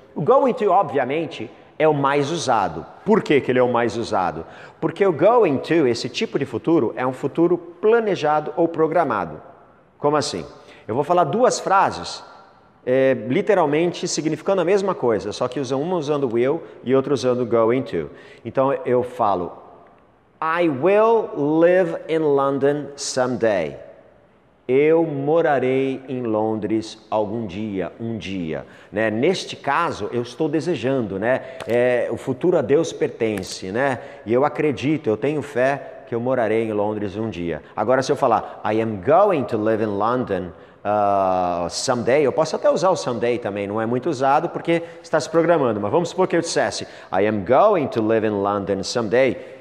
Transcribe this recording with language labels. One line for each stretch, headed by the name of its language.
Portuguese: O going to, obviamente, é o mais usado. Por que que ele é o mais usado? Porque o going to, esse tipo de futuro, é um futuro planejado ou programado. Como assim? Eu vou falar duas frases, literalmente significando a mesma coisa, só que uma usando will e outra usando going to. Então eu falo,
English: I will live in London someday.
Portuguese: Eu morarei em Londres algum dia, um dia. Né? Neste caso, eu estou desejando, né? O futuro a Deus pertence, né? E eu acredito, eu tenho fé que eu morarei em Londres um dia. Agora, se eu falar,
English: I am going to live in London someday,
Portuguese: eu posso até usar o someday também, não é muito usado porque está se programando, mas vamos supor que eu dissesse, I am going to live in London someday.